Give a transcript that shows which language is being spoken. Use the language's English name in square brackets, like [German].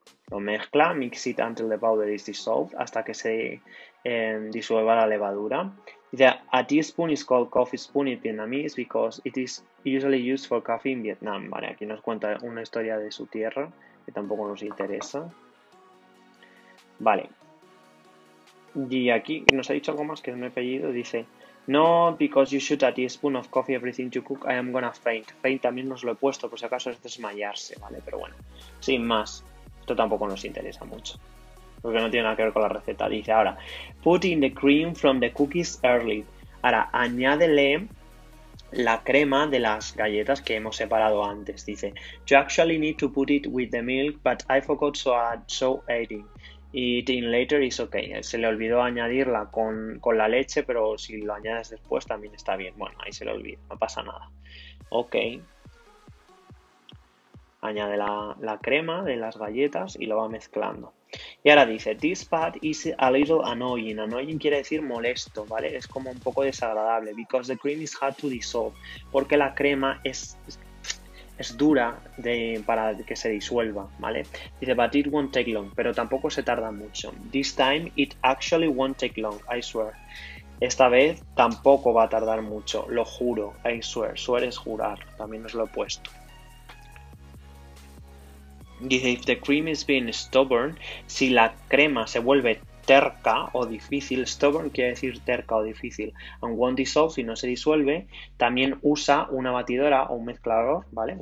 [Spanish] Lo mezcla, [English] mix it until the powder is dissolved, [Spanish] hasta que se disuelva la levadura. [English] A teaspoon is called coffee spoon in Vietnamese because it is usually used for coffee in Vietnam. [Spanish] Vale, aquí nos cuenta una historia de su tierra que tampoco nos interesa. Vale. Y aquí nos ha dicho algo más que es mi apellido. [English] Dice, no, because you shoot a teaspoon of coffee everything you cook, I am gonna faint. [Spanish] Faint también nos lo he puesto, por si acaso es desmayarse, ¿vale? Pero bueno, sin más. Esto tampoco nos interesa mucho, porque no tiene nada que ver con la receta. [English] Dice ahora, put in the cream from the cookies early. [Spanish] Ahora, añádele la crema de las galletas que hemos separado antes. [English] Dice, you actually need to put it with the milk, but I forgot so adding it in later is okay. [Spanish] Se le olvidó añadirla con la leche, pero si lo añades después también está bien. Bueno, ahí se le olvida, no pasa nada. Ok. Añade la crema de las galletas y lo va mezclando. Y ahora dice, [English] this part is a little annoying. [Spanish] Annoying quiere decir molesto, ¿vale? Es como un poco desagradable. [English] Because the cream is hard to dissolve. [Spanish] Porque la crema es dura para que se disuelva, ¿vale? Dice, [English] but it won't take long. [Spanish] Pero tampoco se tarda mucho. [English] This time it actually won't take long, I swear. [Spanish] Esta vez tampoco va a tardar mucho, lo juro, [English] I swear. [Spanish] Swear es jurar, también os lo he puesto. Dice, [English] if the cream is being stubborn, [Spanish] si la crema se vuelve terca o difícil, stubborn quiere decir terca o difícil, [English] and won't dissolve, [Spanish] si no se disuelve, también usa una batidora o un mezclador, ¿vale?